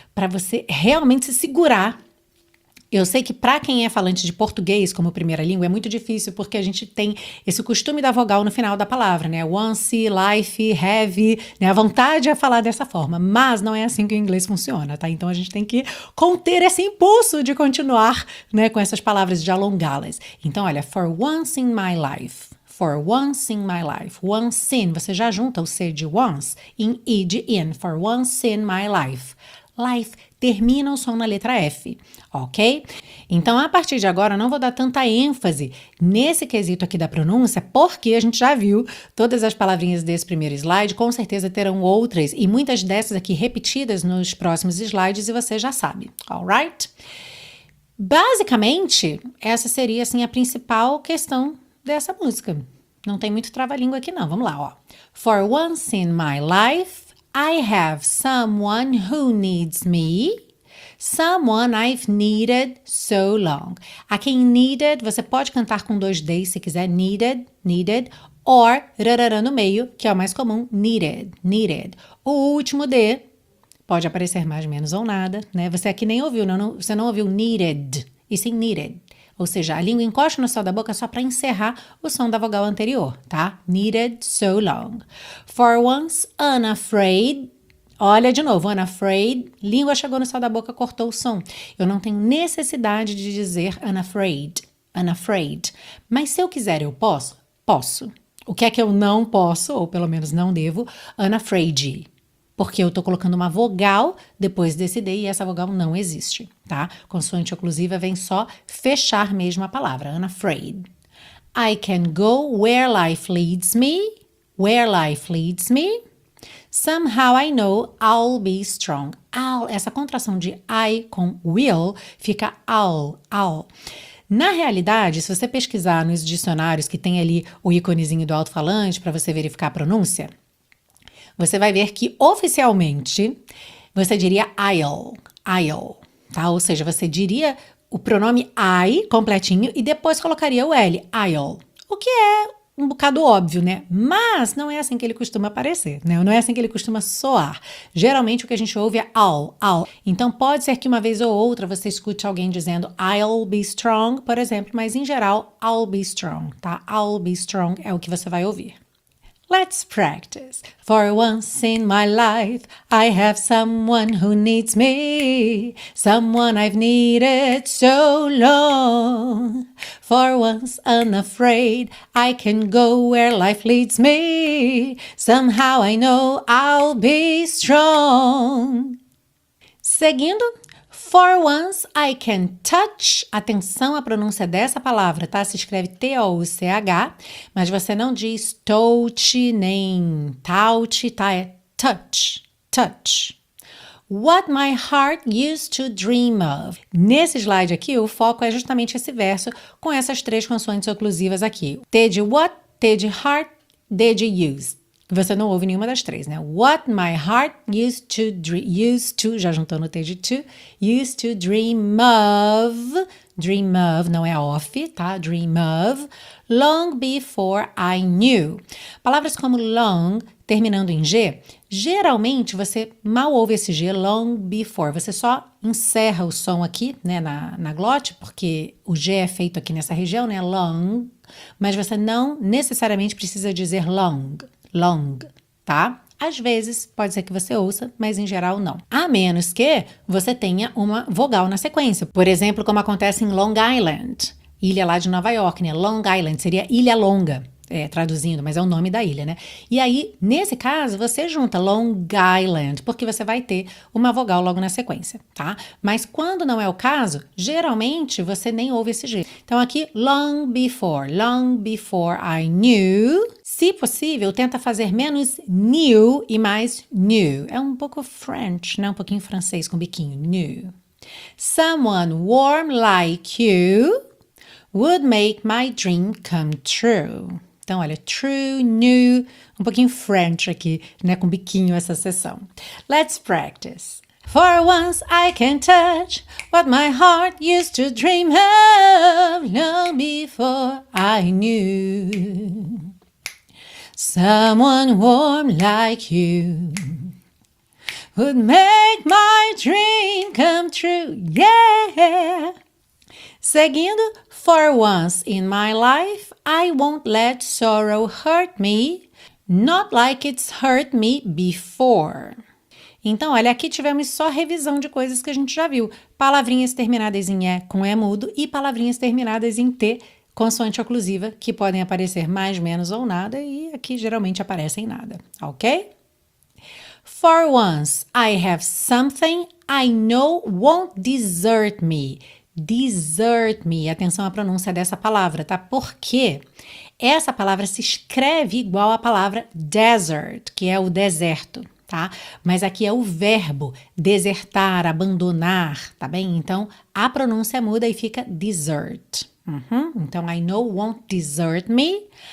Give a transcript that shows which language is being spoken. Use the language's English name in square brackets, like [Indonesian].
[Portuguese] Para você realmente se segurar. Eu sei que para quem é falante de português como primeira língua é muito difícil porque a gente tem esse costume da vogal no final da palavra, né? Once, life, have, né? A vontade é falar dessa forma, mas não é assim que o inglês funciona, tá? Então a gente tem que conter esse impulso de continuar, né, com essas palavras, de alongá-las. Então, olha, [English] for once in my life. For once in my life. [Portuguese] Once in, você já junta o C de once em E de in. [English] For once in my life. [Portuguese] Life termina o som na letra F, ok? Então, a partir de agora, eu não vou dar tanta ênfase nesse quesito aqui da pronúncia, porque a gente já viu todas as palavrinhas desse primeiro slide, com certeza terão outras e muitas dessas aqui repetidas nos próximos slides e você já sabe, alright? Basicamente, essa seria, assim, a principal questão dessa música. Não tem muito trava-língua aqui, não. Vamos lá, ó. [English] For once in my life, I have someone who needs me, someone I've needed so long. [Portuguese] Aqui em needed, você pode cantar com dois D's se quiser, needed, needed, or rarara no meio, que é o mais comum, needed, needed. O último D pode aparecer mais ou menos ou nada, né? Você aqui nem ouviu, não, você não ouviu needed, e sim needed. Ou seja, a língua encosta no céu da boca só para encerrar o som da vogal anterior, tá? [English] Needed so long. For once, unafraid. [Portuguese] Olha de novo, unafraid. Língua chegou no céu da boca, cortou o som. Eu não tenho necessidade de dizer unafraid. Unafraid. Mas se eu quiser, eu posso? Posso. O que é que eu não posso, ou pelo menos não devo? Unafraid. Porque eu tô colocando uma vogal depois desse D e essa vogal não existe, tá? Consoante oclusiva vem só fechar mesmo a palavra, unafraid. [English] I can go where life leads me, where life leads me. Somehow I know I'll be strong. [Portuguese] I'll, essa contração de I com will fica I'll. Na realidade, se você pesquisar nos dicionários que tem ali o íconezinho do alto-falante para você verificar a pronúncia, você vai ver que, oficialmente, você diria I'll, tá? Ou seja, você diria o pronome I completinho e depois colocaria o L, I'll. O que é um bocado óbvio, né? Mas não é assim que ele costuma aparecer, né? Não é assim que ele costuma soar. Geralmente, o que a gente ouve é I'll. Então, pode ser que uma vez ou outra você escute alguém dizendo [English] I'll be strong, [Portuguese] por exemplo, mas, em geral, I'll be strong, tá? [English] I'll be strong [Portuguese] é o que você vai ouvir. [English] Let's practice. For once in my life, I have someone who needs me. Someone I've needed so long. For once unafraid, I can go where life leads me. Somehow I know I'll be strong. [Portuguese] Seguindo. [English] For once I can touch, [Portuguese] atenção à pronúncia dessa palavra, tá? Se escreve T-O-U-C-H, mas você não diz touch nem touch, tá? [English] É touch, touch. What my heart used to dream of. [Portuguese] Nesse slide aqui, o foco é justamente esse verso com essas três consoantes oclusivas aqui. T de what, T de heart, D de used. Você não ouve nenhuma das três, né? [English] What my heart used to, [Portuguese] já juntou no T de to, [English] used to dream of, [Portuguese] não é off, tá? [English] Dream of, long before I knew. [Portuguese] Palavras como long, terminando em G, geralmente você mal ouve esse G, [English] long before, [Portuguese] você só encerra o som aqui, né, na glote, porque o G é feito aqui nessa região, né, long, mas você não necessariamente precisa dizer long. Long, tá? Às vezes, pode ser que você ouça, mas em geral não. A menos que você tenha uma vogal na sequência. Por exemplo, como acontece em Long Island, ilha lá de Nova York, né? Long Island seria ilha longa, traduzindo, mas é o nome da ilha, né? E aí, nesse caso, você junta Long Island, porque você vai ter uma vogal logo na sequência, tá? Mas quando não é o caso, geralmente você nem ouve esse jeito. Então aqui, [English] long before I knew. [Portuguese] Se possível, tenta fazer menos new e mais new. É um pouco French, né? Um pouquinho francês com biquinho, new. [English] Someone warm like you would make my dream come true. [Portuguese] Então, olha, true, new, um pouquinho French aqui, né, com biquinho essa sessão. [English] Let's practice. For once I can touch what my heart used to dream of long before I knew. Someone warm like you would make my dream come true, yeah. [Portuguese] Seguindo, [English] for once in my life, I won't let sorrow hurt me, not like it's hurt me before. [Portuguese] Então, olha, aqui tivemos só revisão de coisas que a gente já viu. Palavrinhas terminadas em E com E mudo e palavrinhas terminadas em T, consoante oclusiva, que podem aparecer mais, menos ou nada, e aqui geralmente aparecem nada, ok? [English] For once, I have something I know won't desert me. [Portuguese] Desert me, atenção à pronúncia dessa palavra, tá? Porque essa palavra se escreve igual à palavra desert, que é o deserto, tá? Mas aqui é o verbo desertar, abandonar, tá bem? Então, a pronúncia muda e fica desert. Uhum. Então, [English] I know won't desert me.